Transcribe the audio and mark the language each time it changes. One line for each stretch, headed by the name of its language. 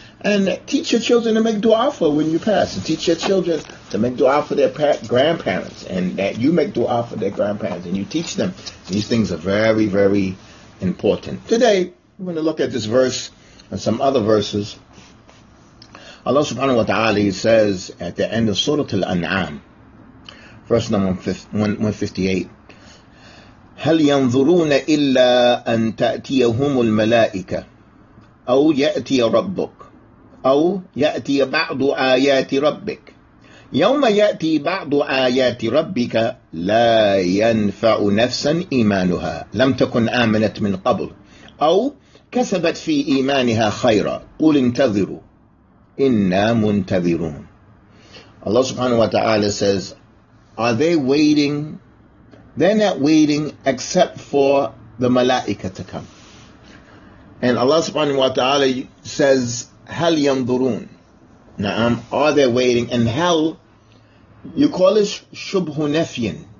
English: And teach your children to make dua for when you pass. And teach your children to make dua for their grandparents. And that you make dua for their grandparents. And you teach them. These things are very, very important. Today, we're going to look at this verse and some other verses. Allah subhanahu wa ta'ala, he says at the end of Surah Al-An'am, verse number 158,
Arabic: هَلْ يَنْظُرُونَ إِلَّا أَن تَأْتِيَهُمُ الْمَلَائِكَةِ أَوْ يَأْتِيَ رَبُّكَ أو يأتي بعض آيات ربك يوم يأتي بعض آيات ربك لا ينفع نفسا إيمانها لم تكن آمنت من قبل أو كسبت في إيمانها خيرا قل انتظروا إنا منتظرون.
English: Allah subhanahu wa ta'ala says, are they waiting? They're not waiting except for the malaika to come. And Allah subhanahu wa ta'ala says,
Arabic: هَلْ يَنْظُرُونَ.
English: Are they waiting? And hell, you call it شُبْهُ نَفْيٍ.